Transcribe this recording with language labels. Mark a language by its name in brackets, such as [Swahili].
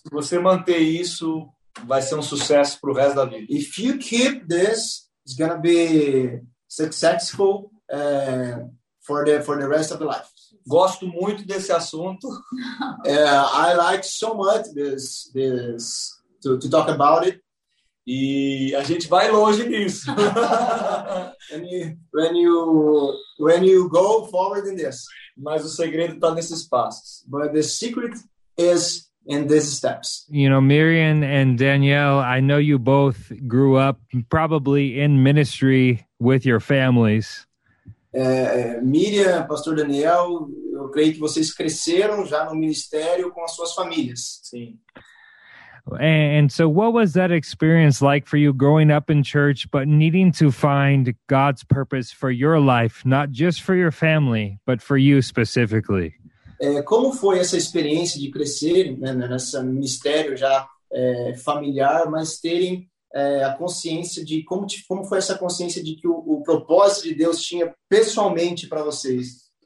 [Portuguese] Se você manter isso, vai ser sucesso pro resto da vida. [English] If you keep this, it's gonna be successful for the rest of the life. [Portuguese] Gosto muito desse assunto. [English] I like so much this to talk about it. [Portuguese] E a gente vai longe nisso. [English] And when you go forward in this. [Portuguese] Mas o segredo está nesses passos. [English] But the secret is in these steps. You know, Miriam and Danielle, I know you both grew up probably in ministry with your families. [Portuguese] Miriam, Pastor Daniel, eu creio que vocês cresceram já no ministério com as suas famílias. Sim. [English] And so what was that experience like for you growing up in church, but needing to find God's purpose for your life, not just for your family, but for you specifically? [Portuguese] Como foi essa experiência de crescer, né, nesse ministério já familiar, mas terem a consciência de como foi essa consciência de que o propósito de Deus tinha pessoalmente para vocês?